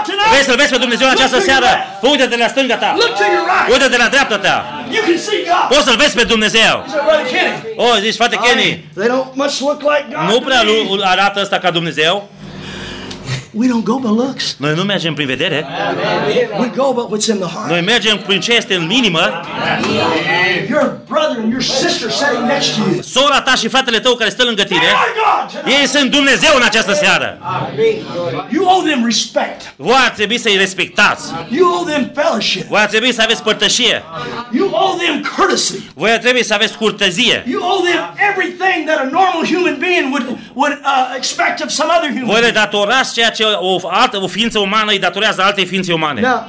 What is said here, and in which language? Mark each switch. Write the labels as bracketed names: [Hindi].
[Romanian] Vrei să-L vezi pe Dumnezeu în această seară? Uită-te la stânga ta. Uită-te la dreapta ta. Poți să-L vezi pe Dumnezeu. Oh, zici, frate Kenny, nu prea arată ăsta ca Dumnezeu. [English] We don't go by looks. [Romanian] Noi nu mergem prin vedere. [English] Amen. We go by what's in the heart. [Romanian] Noi mergem prin ce este în inimă. [English] Your brother and your sister sitting next to you. [Romanian] Sora ta și fratele tău care stă lângă tine. Ei sunt Dumnezeu în această seară. [English] You owe them respect. [Romanian] Voi ar trebui să-i respectați. [English] You owe them fellowship. [Romanian] Voi ar trebui să aveți părtășie. [English] You owe them courtesy. [Romanian] Voi ar trebui să aveți curtezie. [English] You owe them everything that a normal human being would expect of some other human. [Romanian] Voi le datorați ceea ce o ființă umană îi datorează altei ființe umane.